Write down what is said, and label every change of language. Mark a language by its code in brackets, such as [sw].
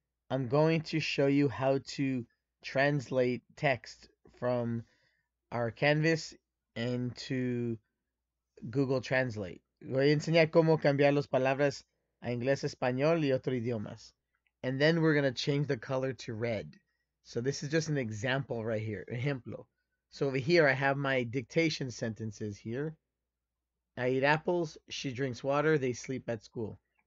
[en] I'm going to show you how to translate text from our Canvas into Google Translate. [es] Voy a enseñar cómo cambiar las palabras a inglés, español y otros idiomas. [en] And then we're going to change the color to red. So this is just an example right here, ejemplo. So over here, I have my dictation sentences here. I eat apples, she drinks water, they sleep at school.